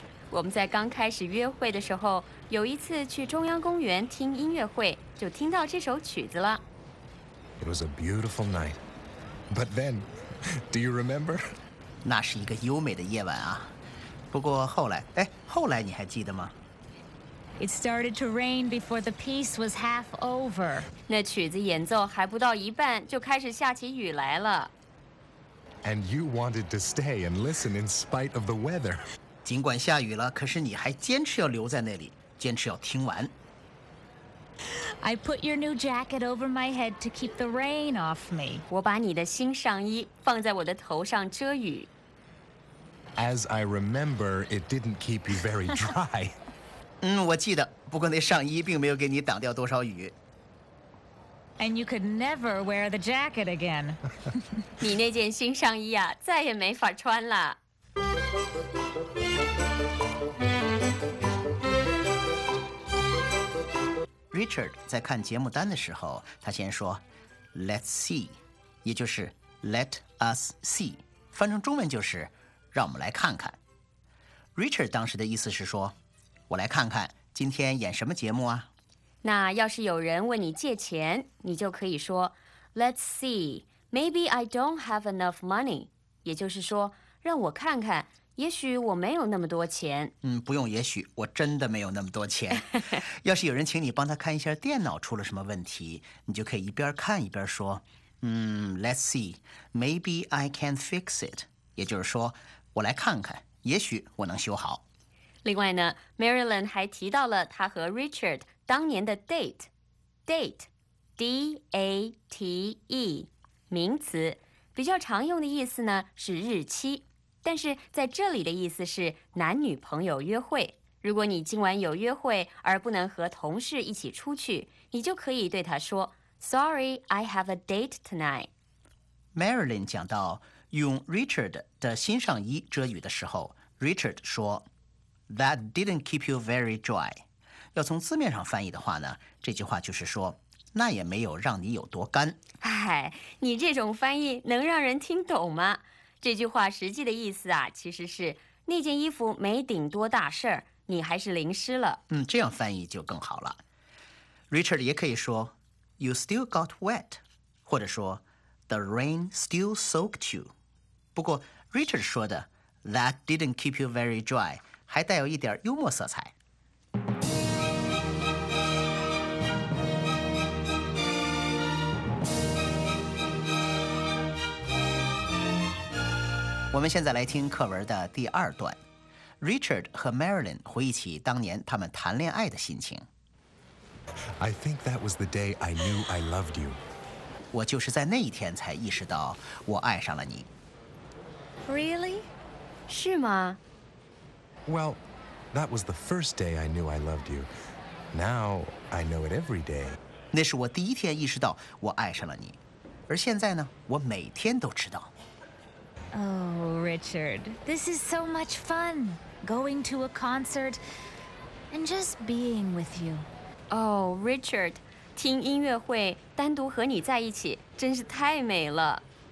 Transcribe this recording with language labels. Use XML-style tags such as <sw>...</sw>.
<zh>我们在刚开始约会的时候，有一次去中央公园听音乐会，就听到这首曲子了。</zh> <en>It was a beautiful night, but then, do you remember?</en> <zh>那是一个优美的夜晚啊。不过后来，哎，后来你还记得吗？</zh> <en>It started to rain before the piece was half over.</en> <zh>那曲子演奏还不到一半就开始下起雨来了。</zh> <en>And you wanted to stay and listen in spite of the weather.</en> <zh>尽管下雨了，可是你还坚持要留在那里，坚持要听完。</zh> <en>I put your new jacket over my head to keep the rain off me.</en> <zh>我把你的新上衣放在我的头上遮雨。</zh> <en>As I remember, it didn't keep you very dry.</en> <zh>嗯，我记得，不过那上衣并没有给你挡掉多少雨。</zh> <en>And you could never wear the jacket again.</en> <zh>你那件新上衣啊，再也没法穿了。 Richard 在看节目单的时候，他先说</zh> <en>"Let's see"，</en> <zh>也就是</zh> <en>"Let us see"，</en> <zh>翻成中文就是"让我们来看看"。 Richard 当时的意思是说。我来看看今天演什么节目啊？那要是有人问你借钱，你就可以说</zh> <en>Let's see, maybe I don't have enough money.</en> <zh>也就是说，让我看看，也许我没有那么多钱。嗯，不用也许，我真的没有那么多钱。要是有人请你帮他看一下电脑出了什么问题，你就可以一边看一边说，嗯 ，</zh> <en>Let's see, maybe I can fix it.</en> <zh>也就是说，我来看看，也许我能修好。另外呢 ，Marilyn 还提到了她和 Richard 当年的 date，date，D-A-T-E， 名词，比较常用的意思呢是日期，但是在这里的意思是男女朋友约会。如果你今晚有约会而不能和同事一起出去，你就可以对他说 ，</zh> <en>Sorry, I have a date tonight。</en> <zh>Marilyn 讲到用 Richard 的新上衣遮雨的时候 ，Richard 说。</zh> <en>That didn't keep you very dry.</en> <zh>要从字面上翻译的话呢，这句话就是说，那也没有让你有多干。哎，你这种翻译能让人听懂吗？这句话实际的意思啊，其实是那件衣服没顶多大事儿，你还是淋湿了。嗯，这样翻译就更好了。</zh> <en>Richard</en> <zh>也可以说</zh> <en>，You still got wet，</en> <zh>或者说</zh> <en>，The rain still soaked you。</en> <zh>不过</zh> <en>Richard</en> <zh>说的</zh> <en>，That didn't keep you very dry。</en> <zh>还带有一点幽默色彩。我们现在来听课文的第二段。Richard 和 Marilyn 回忆起当年他们谈恋爱的心情。</zh> <en>I think that was the day I knew I loved you.</en> <zh>我就是在那一天才意识到我爱上了你。</zh> <en>Really?</en> <zh>是吗？</zh> <en>Well, that was the first day I knew I loved you. Now, I know it every day.</en> <zh>那是我第一天意识到我爱上了你。而现在呢，我每天都知道。</zh> <en>Oh, Richard, this is so much fun. Going to a concert and just being with you.</en> <zh>Oh, Richard, 听音乐会，单独和你在一起，真是太美了。</zh>